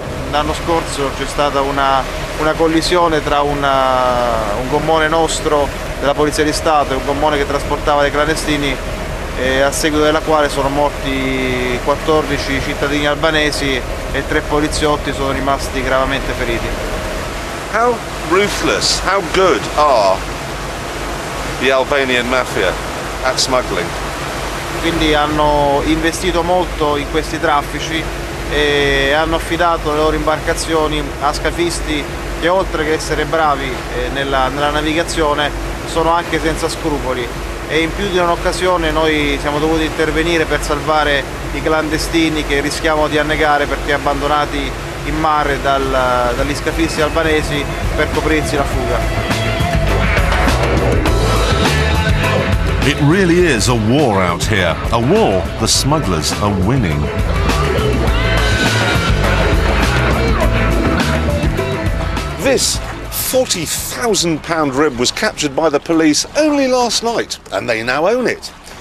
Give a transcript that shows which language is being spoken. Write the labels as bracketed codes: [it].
[it] L'anno scorso c'è stata una collisione tra un gommone nostro della Polizia di Stato e un gommone che trasportava dei clandestini, e a seguito della quale sono morti 14 cittadini albanesi e 3 poliziotti sono rimasti gravemente feriti. [en] How ruthless, how good are the Albanian mafia at smuggling? [it] Quindi hanno investito molto in questi traffici e hanno affidato le loro imbarcazioni a scafisti che, oltre che essere bravi nella navigazione, sono anche senza scrupoli. E in più di un'occasione noi siamo dovuti intervenire per salvare i clandestini che rischiavano di annegare perché abbandonati in mare dagli scafisti albanesi per coprirsi la fuga. [en] It really is a war out here, a war the smugglers are winning. This £40,000 rib was captured by the police only last night, and they now own it.